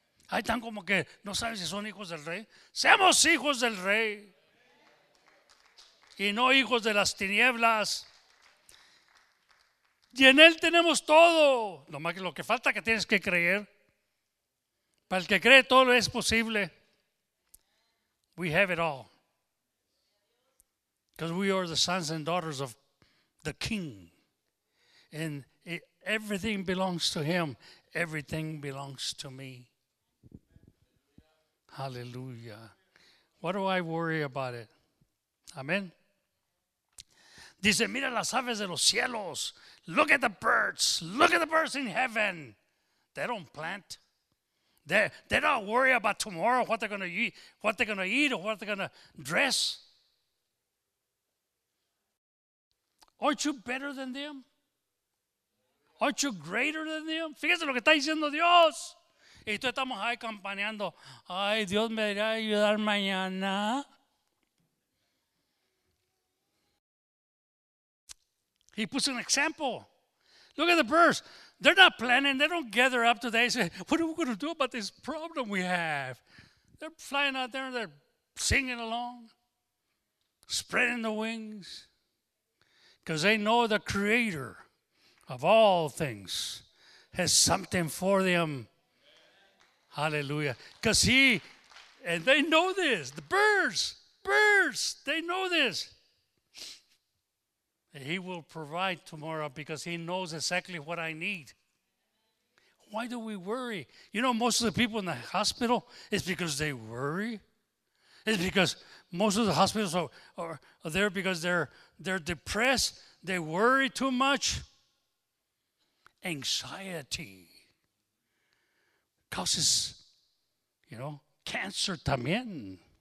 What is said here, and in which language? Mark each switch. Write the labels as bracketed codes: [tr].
[es] Hay tan como que no sabes si son hijos del Rey. Seamos hijos del Rey. y no hijos de las tinieblas. Y en Él tenemos todo. Lo más que lo que falta que tienes que creer. Para el que cree, todo es posible. [en] We have it all. Because we are the sons and daughters of the King. And everything belongs to Him. Everything belongs to me. Hallelujah. What do I worry about it? Amen. [es] Dice, mira las aves de los cielos. [en] Look at the birds. Look at the birds in heaven. They don't plant. They don't worry about tomorrow, what they're going to eat, what they're going to eat, or what they're going to dress. Aren't you better than them? Aren't you greater than them? [es] Fíjense lo que está diciendo Dios. Y tú estamos ahí campaneando. Ay, Dios me irá a ayudar mañana. [en] He puts an example. Look at the birds. They're not planning. They don't gather up today. Say, what are we going to do about this problem we have? They're flying out there. They're singing along. Spreading the wings. Because they know the Creator of all things has something for them. Hallelujah. Because He, and they know this. The birds, they know this. He will provide tomorrow because He knows exactly what I need. Why do we worry? You know, most of the people in the hospital, it's because they worry. It's because most of the hospitals are there because they're depressed. They worry too much. Anxiety causes, you know, cancer también.